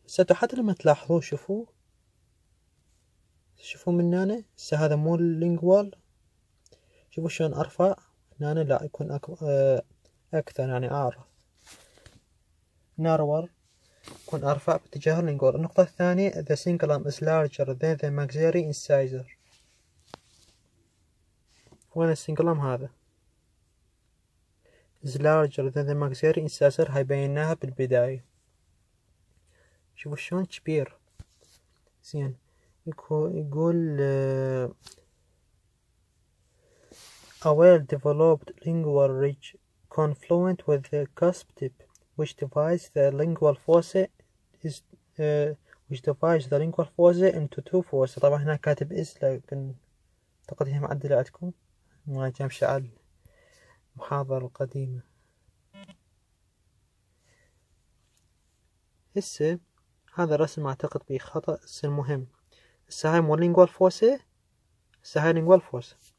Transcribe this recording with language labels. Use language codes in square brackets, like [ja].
[ar] ستو حتى لما تلاحظوا شوفوا من هنا هسه هذا مو اللينجوال، شوفوا شلون ارفع هنا، لا يكون اكثر يعني اعرف نارور يكون ارفع باتجاه اللينجوال. النقطه الثانيه [en] the cingulum is larger than the maxillary incisor، [ar] وين السنجلم هذا [en] is larger than the maxillary incisor، [ar] هاي بيناها بالبدايه، شوفوا شلون كبير زين. يقول [en] a well developed lingual ridge confluent with the cusp tip which divides the lingual fossa is which divides the lingual fossa into two fossa. [ar] طبعا هنا كاتب is لكن اعتقد هي معدلة عندكم، ما جامش على المحاضرة القديمة. هسه هذا الرسم اعتقد فيه خطأ. هسه المهم، هسه هاي مو لينغوال فوسي، هسه هاي لينغوال فوسي.